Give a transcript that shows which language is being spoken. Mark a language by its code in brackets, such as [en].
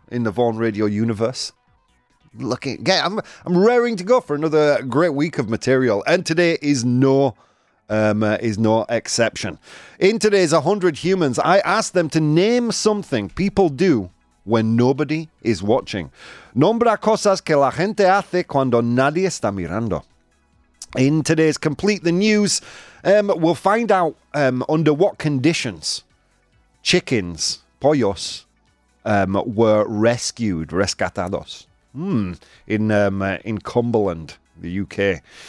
[en] In the Vaughan Radio universe. I'm raring to go for another great week of material. And today is no exception. In today's 100 Humans, I asked them to name something people do when nobody is watching. [es] Nombra cosas que la gente hace cuando nadie está mirando. [en] In today's Complete the News, we'll find out under what conditions... chickens, pollos, were rescued, rescatados, in Cumberland, the UK.